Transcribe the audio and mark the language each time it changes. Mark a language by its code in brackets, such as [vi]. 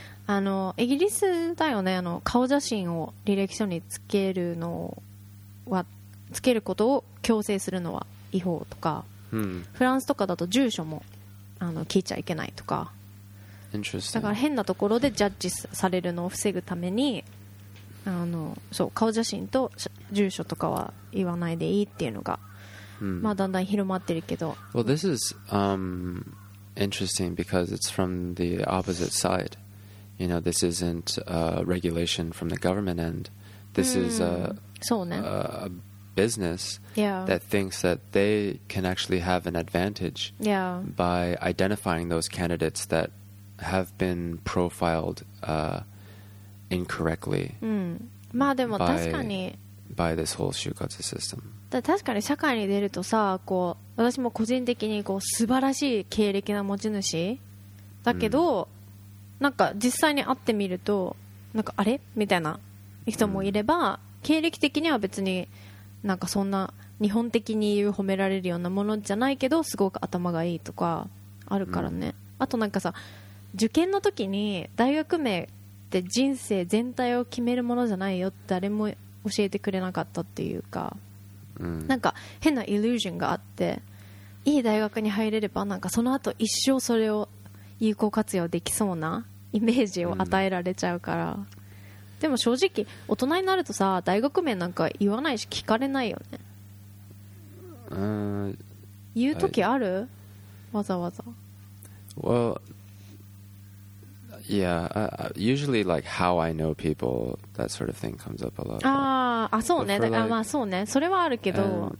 [ja] あのイギリスだよね、あの顔写真を履歴書につけるのはつけることを強制するのは違法とか、フランスとかだと住所もあの聞いちゃいけないとか。 [en] Interesting. [ja] だから変なところでジャッジされるのを防ぐために、あのそう顔写真と住所とかは言わないでいいっていうのが、まあだんだん広まってるけど。 [en] Well, this is interesting because it's from the opposite side. You know, this isn't a regulation from the government end. This is a, [ja] そうね、 [en] a business that thinks that they can actually have an advantage by identifying those candidates that have been profiled incorrectly by this whole 就活 system. [ja] 確かに社会に出るとさ、こう私も個人的にこう素晴らしい経歴の持ち主だけど、なんか実際に会ってみるとなんかあれみたいな人もいれば、経歴的には別になんかそんな日本的に言う褒められるようなものじゃないけどすごく頭がいいとかあるからね。あとなんかさ、受験の時に大学名って人生全体を決めるものじゃないよって誰も教えてくれなかったっていうか、なんか変なイリュージョンがあって、いい大学に入れればなんかその後一生それを有効活用できそうなイメージを与えられちゃうから、でも正直大人になるとさ、大学名なんか言わないし聞かれないよね。言うときある？わざわざ。 [en] Well, yeah, usually like how I know people, that sort of thing comes up a lot. [ja] ああそうね、like, あまあそうね、それはあるけど、